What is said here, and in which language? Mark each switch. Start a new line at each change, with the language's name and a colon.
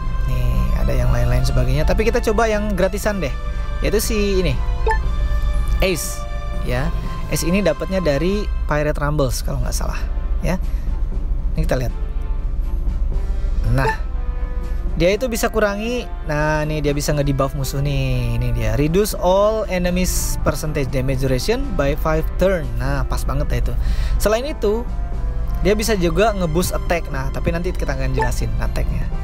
Indonesian: Nih, ada yang lain-lain sebagainya. Tapi kita coba yang gratisan deh. Yaitu si ini. Ace. Ya, Ace ini dapatnya dari Pirate Rumbles kalau nggak salah. Ya. Ini kita lihat. Nah, dia itu bisa kurangi. Nah, nih dia bisa nge-debuff musuh nih. Ini dia,
English: reduce all enemies percentage damage duration by 5 turn.
Indonesian: Nah, pas banget ya itu. Selain itu, dia bisa juga nge-boost attack. Nah, tapi nanti kita akan jelasin attack-nya.